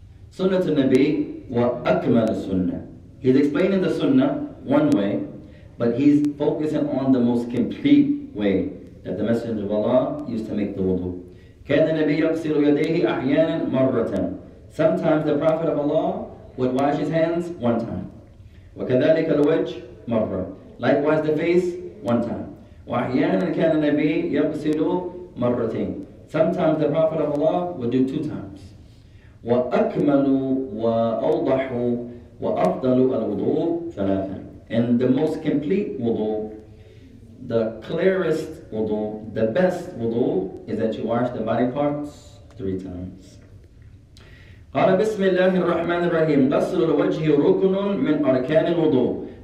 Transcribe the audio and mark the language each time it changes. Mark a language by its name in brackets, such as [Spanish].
[Arabic] Sunnah to Nabi wa akmal sunnah. [English] He's explaining the sunnah one way, but he's focusing on the most complete way that the Messenger of Allah used to make the wudu. [Arabic] كان النبي يغسل يديه أحيانا مرة. [English] Sometimes the Prophet of Allah would wash his hands one time. [Arabic] وكذلك الوجه مرة. [English] Likewise the face one time. [Arabic] وأحيانا كان النبي يغسل مرتين. [English] Sometimes the Prophet of Allah would do two times. [Arabic] وأكمل وأوضح وأفضل الوضوء ثلاثة. [English] And the most complete wudu, the clearest wudu, the best wudu, is that you wash the body parts three times. [Arabic] قال بسم الله الرحمن الرحيم غسل الوجه ركن من أركان الوضوء.